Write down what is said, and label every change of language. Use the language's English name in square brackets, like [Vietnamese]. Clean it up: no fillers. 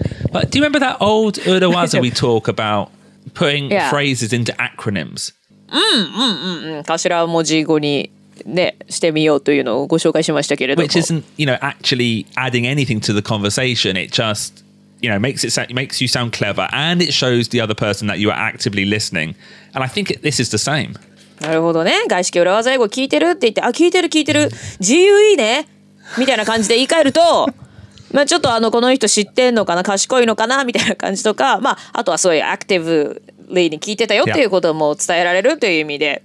[English] But do you remember that old urawaza we talk about putting yeah. phrases into acronyms? [Japanese] うん。頭文字語にね、してみようというのをご紹介しましたけれども、 [English] which isn't, you know, actually adding anything to the conversation. It just, you know, makes you sound clever, and it shows the other person that you are actively listening. And I think this is the same. [Japanese] なるほどね。外資系裏技英語聞いてるって言って、あ、聞いてる聞いてる。自由いいねみたいな感じで言い換えると、まあちょっとあのこの人知ってんのかな、賢いのかなみたいな感じとか、まああとはそういうアクティブリーに聞いてたよっていうことも伝えられるという意味で。